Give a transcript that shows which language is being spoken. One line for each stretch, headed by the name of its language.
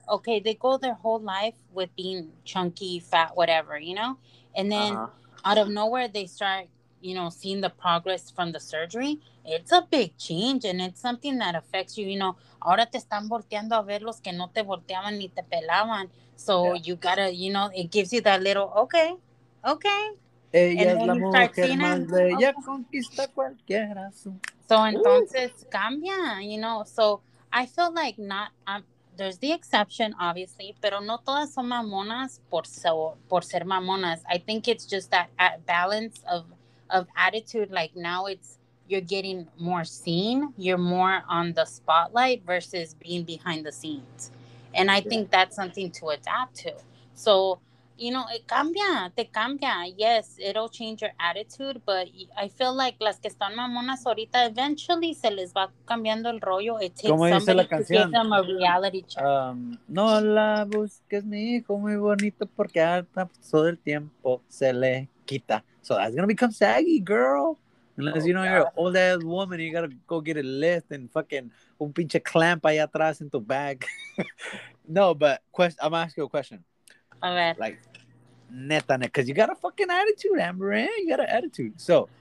English: Okay, they go their whole life with being chunky, fat, whatever, you know? And then out of nowhere, they start, you know, seeing the progress from the surgery. It's a big change, and it's something that affects you, you know?
Spanish: Ahora te están volteando a ver los que no te volteaban ni te pelaban.
English: So you gotta, you know, it gives you that little, okay.
Spanish: Ella es la mujer más bella, conquista cualquiera.
English: So
Spanish: entonces cambia,
English: you know. So I feel like there's the exception, obviously,
Spanish: pero no todas son mamonas por ser mamonas.
English: I think it's just that balance of attitude. Like now it's, you're getting more seen. You're more on the spotlight versus being behind the scenes. And I think that's something to adapt to. So, you know, it
Spanish: cambia, te cambia.
English: Yes, it'll change your attitude, but I feel like
Spanish: las que están mamonas ahorita,
English: eventually
Spanish: se les va cambiando el rollo.
English: It takes somebody to give them a reality check.
Spanish: No la busques, mi hijo, muy bonito, porque al paso del tiempo se le quita.
English: So that's going to become saggy, girl. Unless, you know, God, you're an old ass woman, you got to go get a lift and fucking
Spanish: un pinche
English: clamp
Spanish: allá atrás
English: in tu bag. No, but I'm going to ask you a question. Like, neta, because you got a fucking attitude, Amber, eh? You got an attitude. So